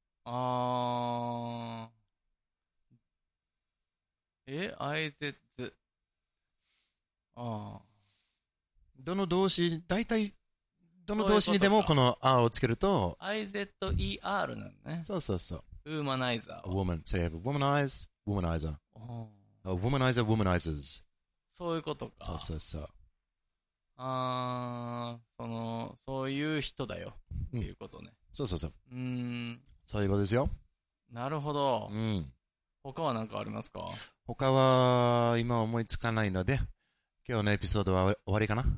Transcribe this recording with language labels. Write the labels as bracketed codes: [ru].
[ja] あー。え？IZE。あー。どの動詞、大体どの動詞にでもこの R をつけると IZER なのね。そうそうそう。ウーマナイザー。ウーマン。 [en] So you have a womanizer, womanizer. A womanizer, womanizers. [ja] そういうことか。そうそうそう。あー、その、そういう人だよ。っていうことね。そうそうそう。そういうことですよ。なるほど。うん。他は何かありますか？他は、今思いつかないので。今日のエピソードは終わりかな、